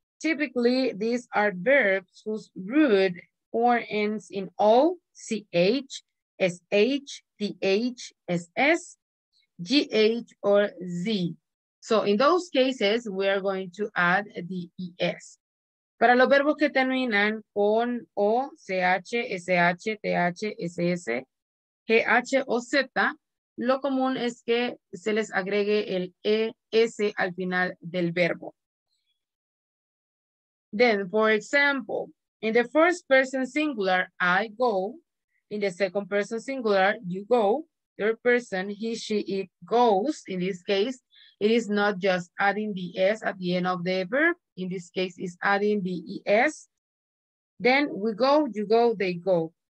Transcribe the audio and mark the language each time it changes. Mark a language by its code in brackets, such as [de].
[en] Typically, these are verbs whose root form ends in O, CH, SH, TH, SS, GH, or Z. So in those cases, we are going to add the ES. [es] Para los verbos que terminan con O, CH, SH, TH, SS, GH, o Z, lo común es que se les agregue el ES al final del verbo. [en] Then, for example, in the first person singular, I go. In the second person singular, you go. Third person, he, she, it goes. In this case, it is not just adding the S at the end of the verb. In this case, it's adding the ES. Then we go, you go, they go.